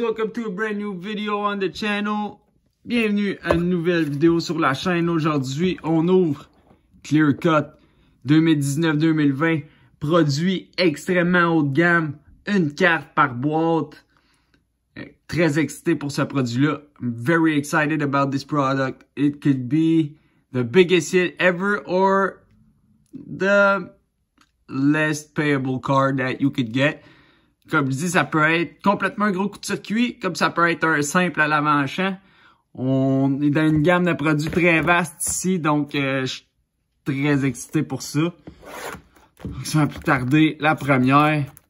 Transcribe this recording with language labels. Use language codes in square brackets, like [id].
[en] Welcome to a brand new video on the channel. [fr] Bienvenue à une nouvelle vidéo sur la chaîne. Aujourd'hui, on ouvre Clear Cut 2019-2020. Produit extrêmement haut de gamme. Une carte par boîte. Très excité pour ce produit-là. [en] I'm very excited about this product. It could be the biggest hit ever or the least payable card that you could get. [fr] Comme je dis, ça peut être complètement un gros coup de circuit, comme ça peut être un simple à l'avant-champ. On est dans une gamme de produits très vaste ici, donc je suis très excité pour ça. Donc, sans plus tarder, la première.